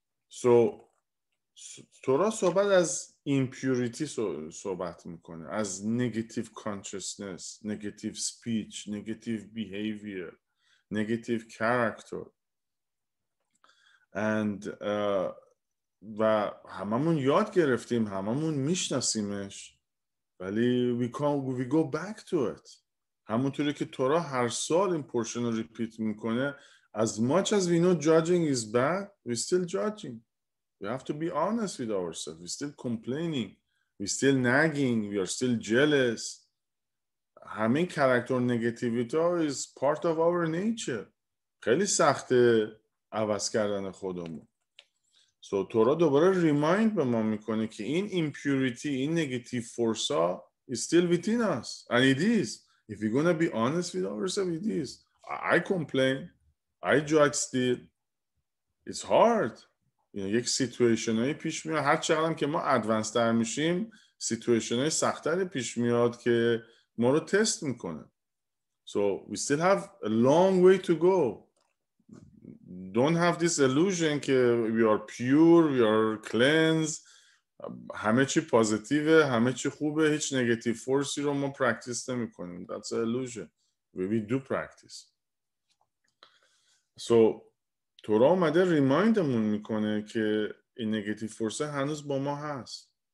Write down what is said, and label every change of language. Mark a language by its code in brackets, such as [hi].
[en] So Torah [fa] صحبت از [en] impurity [fa] صحبت میکنه, از [en] negative consciousness, negative speech, negative behavior, negative character. [fa] And و هممون یاد گرفتیم, هممون میشناسیمش, ولی [en] we go back to it. [fa] همونطوری که تورا هر سال این پورشن رو ریپیت میکنه, [en] As much as we know judging is bad, we're still judging. We have to be honest with ourselves. We're still complaining. We're still nagging. We are still jealous. [fa] همین کاراکتر نگاتیویتا [en] is part of our nature. [fa] خیلی سخته عوض کردن خودمون. [en] So [fa] تورا دوباره ریمایند به ما میکنه که این [en] impurity, این negative force ها is still within us. And it is. If you're going to be honest with ourselves, it is. I complain. I judge still. It's hard. You know, [fa] یک situation های پیش میاد. هر چقدر که ما advanced تر میشیم, situation های سختر پیش میاد که ما رو تست میکنه. [en] So we still have a long way to go. Don't have this illusion که we are pure, we are cleansed. [fa] همه چی پوزیتیوه، همه چی خوبه، هیچ نگاتیو فورسی رو ما پرکتیس نمی کنیم. [en] That's an illusion. We do practice. [fa] So تورا اومده ریمایندمون میکنه که این نگاتیو فورس هنوز با ما هست.